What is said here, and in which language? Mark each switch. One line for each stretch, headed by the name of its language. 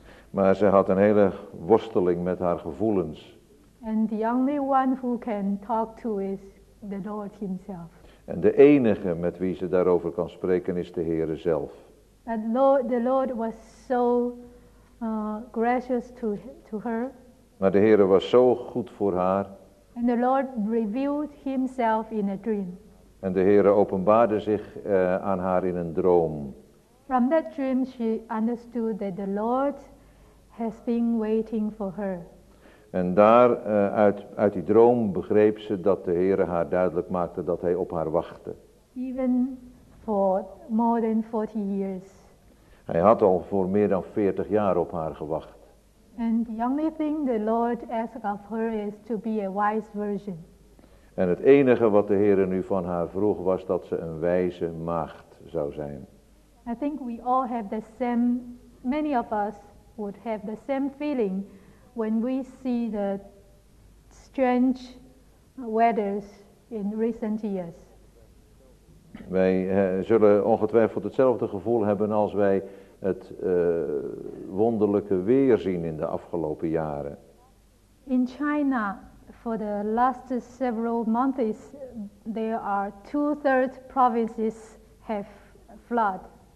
Dutch: Maar ze had een hele worsteling met haar gevoelens.
English: And the only one who can talk to is the Lord himself.
Dutch: En de enige met wie ze daarover kan spreken is de Heere zelf.
English: But the Lord was so gracious to her.
Dutch: Maar de Heere was zo goed voor haar.
English: And the Lord revealed himself in a dream.
Dutch: En de Heere openbaarde zich aan haar in een droom.
English: From that dream she understood that the Lord has been waiting for her.
Dutch: En daar uit die droom begreep ze dat de Heere haar duidelijk maakte dat hij op haar wachtte.
English: Even for more than 40 years.
Dutch: Hij had al voor meer dan 40 jaar op haar gewacht.
English: And the only thing the Lord asked of her is to be a wise virgin.
Dutch: En het enige wat de Heere nu van haar vroeg was dat ze een wijze maagd zou zijn.
English: I think we all have the same, many of us would have the same feeling when we see the strange weathers in recent years.
Dutch: Wij zullen ongetwijfeld hetzelfde gevoel hebben als wij het wonderlijke weer zien in de afgelopen jaren.
English: In China, for the last several months, there are 2/3 provinces have flood.